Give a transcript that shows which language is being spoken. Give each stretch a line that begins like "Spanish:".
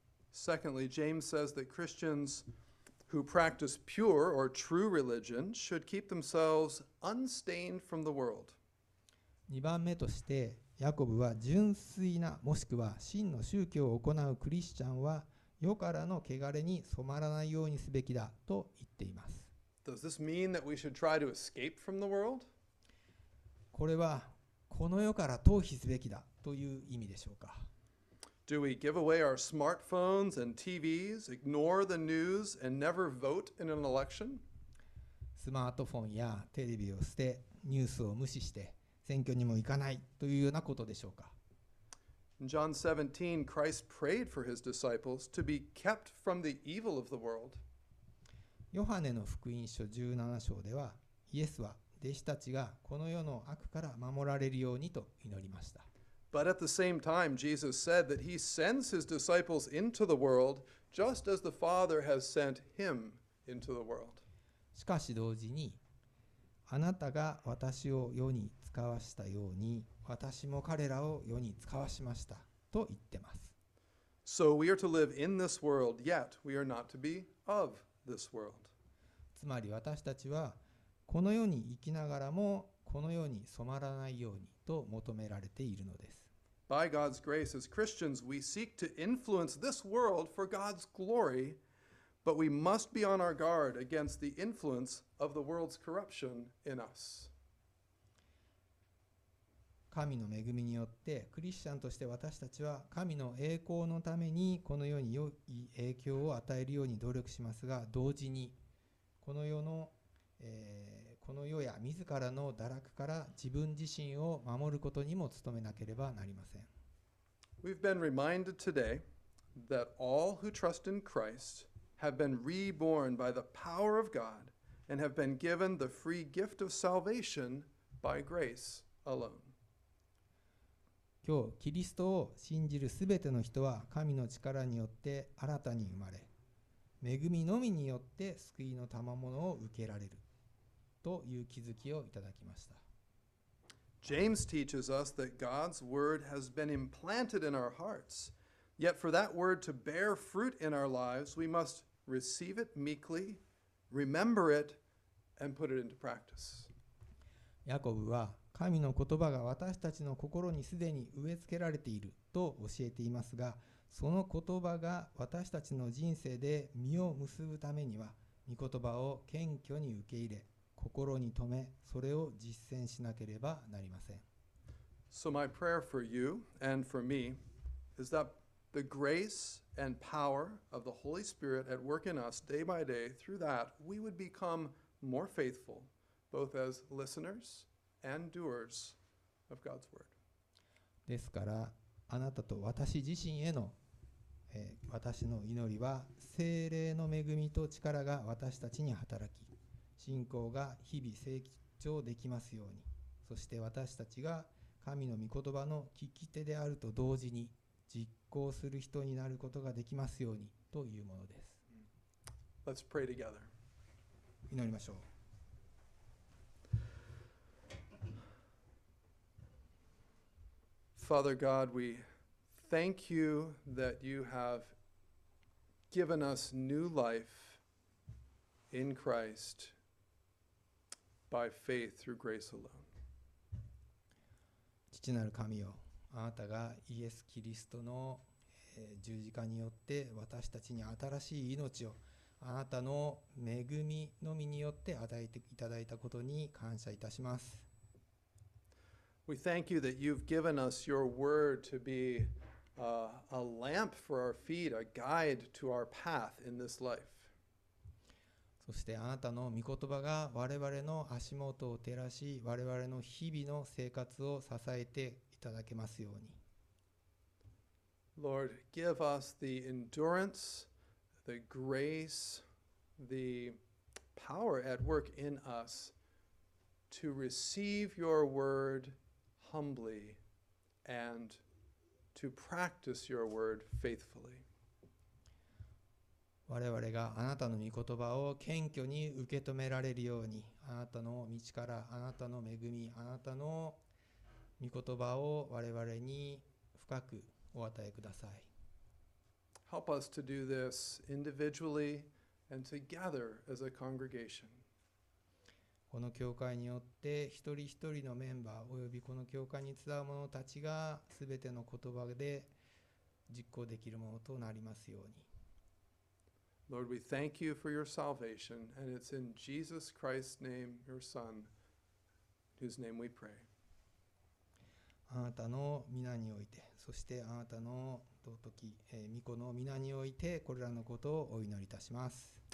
English: Secondly, James says that Christians who practice pure or true religion should keep themselves unstained from the world.
Japanese: 2番目としてヤコブは純粋なもしくは真の宗教を行うクリスチャンは世からの汚れに染まらないようにすべきだと言っています。
English: Does this mean that we should try to escape from the world?
Japanese: これはこの世から逃避すべきだという意味でしょうか。
English: Do we give away our smartphones and TVs, ignore the news, and never vote in an election?
Japanese: スマートフォンやテレビを捨て、ニュースを無視して、選挙にも行かないというようなことでしょうか。
English: In John 17, Christ prayed for his disciples to be kept from the evil of the world.
Japanese: ヨハネの福音書17章では、イエスは弟子たちがこの世の悪から守られるようにと祈りました。
English: But at the same time, Jesus said that he sends his disciples into the world just as the Father has sent him into the world.
Japanese: しかし同時に、あなたが私を世に使わしたように、私も彼らを世に使わしましたと言ってます。
English: So we are to live in this world, yet we are not to be of this world.
Japanese: つまり私たちは、この世に生きながらも、この世に染まらないようにと求められているのです。
English: By God's grace, as Christians, we seek to influence this world for God's glory, but we must be on our guard against the influence of the world's corruption in us.
Japanese: 神の恵みによって、クリスチャンとして私たちは神の栄光のためにこの世に良い影響を与えるように努力しますが、同時にこの世の、この世や自らの堕落から自分自身を守ることにも努めなければなりません。
English: We've been reminded today that all who trust in Christ have been reborn by the power of God and have been given the free gift of salvation by grace alone.
Japanese: 今日、キリストを信じるすべての人は神の力によって新たに生まれ、恵みのみによって救いの賜物を受けられる。という気づきをいただきました。
English: James teaches us that God's word has been implanted in our hearts. Yet for that word to bear fruit in our lives, we must receive it meekly, remember it, and put it into practice.
Japanese: ヤコブは神の言葉が私たちの心にすでに植え付けられていると教えていますが、その言葉が私たちの人生で実を結ぶためには、御言葉を謙虚に受け入れ、心に留め、それを実践しなければなりません。
English: So my prayer for you and for me is that the grace and power of the Holy Spirit at work in us day by day through that we would become more faithful both as listeners and doers of God's word.
Japanese: ですから、あなたと私自身への、私の祈りは聖霊の恵みと力が私たちに働き、信仰が日々成長できますように、そして私たちが神の御言葉の聞き手であると同時に実行する人になることができますようにというものです。
English: Let's pray together.
Japanese: 祈りましょう。
English: Father God, we thank you that you have given us new life in Christ by faith through grace alone.
Japanese: 父なる神よ、あなたがイエス・キリストの十字架によって私たちに新しい命をあなたの恵みのみによって与えていただいたことに感謝いたします。
English: We thank you that you've given us your word to be a lamp for our feet, a guide to our path in this life.
Japanese: そしてあなたの御言葉が我々の足元を照らし、我々の日々の生活を支えていただけますように。
English: Lord, give us the endurance, the grace, the power at work in us to receive your word. Humbly and to practice your word faithfully.
Japanese: 我々があなたの御言葉を謙虚に受け止められるように、あなたの御力、あなたの恵み、あなたの御言葉を我々に深くお与えください。
English: Help us to do this individually and together as a congregation.
Japanese: この教会によって一人一人のメンバーおよびこの教会に集う者たちがすべての言葉で実行できるものとなりますように。
English: Lord, we thank you for your salvation, and it's in Jesus Christ's name, your Son, whose name we pray.
Japanese: あなたの御名において、そしてあなたの尊き御子の御名において、これらのことをお祈りいたします。